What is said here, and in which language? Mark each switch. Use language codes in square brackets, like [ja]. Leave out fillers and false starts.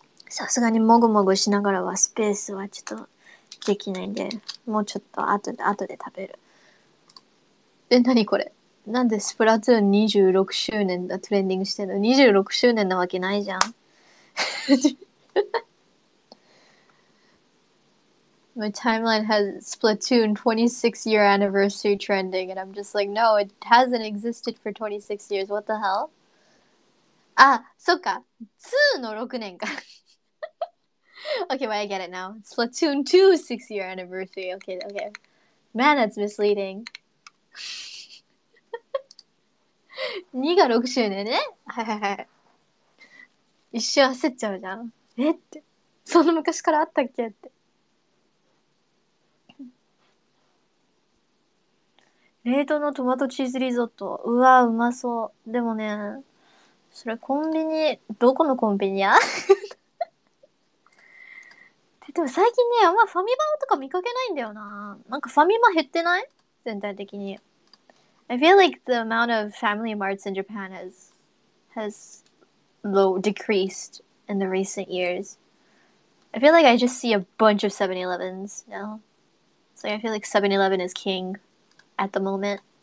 [ja] さすがにもぐもぐしながらはスペースはちょっとできないんで、もうちょっと後で食べる。え、なにこれ？なんでスプラトゥーン26周年だトレンディングしてんの？ 26 周年なわけないじゃん。 [en] My timeline has Splatoon 26 year anniversary trending and I'm just like, no, it hasn't existed for 26 years. What the hell? [ja] あ、そっか。2の6年か。 [en] Okay, well, I get it now. Splatoon 2 6 year anniversary. Okay. Man, that's misleading. [ja] 2が6周年ね。はい。一瞬焦っちゃうじゃん。えって。そんな昔からあったっけって。冷凍のトマトチーズリゾット。うわ、うまそう。でもね、それコンビニ、どこのコンビニやでも最近ね、あんまファミマとか見かけないんだよな。なんかファミマ減ってない？全体的に。 [en] I feel like the amount of family marts in Japan has low decreased in the recent years. I feel like I just see a bunch of 7-Elevens now. So I feel like 7-Eleven is king at the moment.